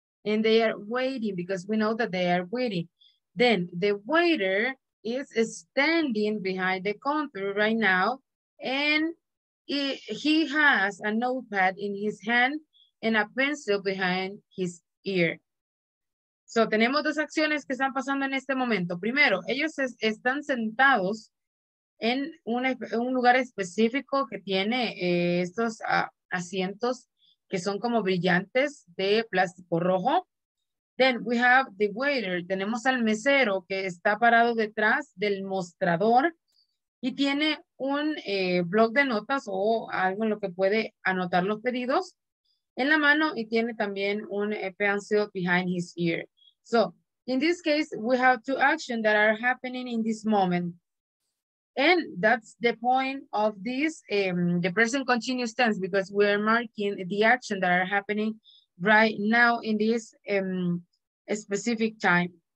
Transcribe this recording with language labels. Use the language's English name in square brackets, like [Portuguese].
[English] And they are waiting because we know that they are waiting. Then the waiter is standing behind the counter right now, and he has a notepad in his hand and a pencil behind his ear. [Spanish] So tenemos dos acciones que están pasando en este momento. Primero, ellos están sentados en un lugar específico que tiene estos asientos que son como brillantes de plástico rojo. [English] Then we have the waiter. [Spanish] Tenemos al mesero que está parado detrás del mostrador y tiene un bloc de notas o algo en lo que puede anotar los pedidos en la mano y tiene también un [English] pencil behind his ear. So, in this case, we have two actions that are happening in this moment. And that's the point of this, the present continuous tense, because we're marking the action that are happening right now in this specific time.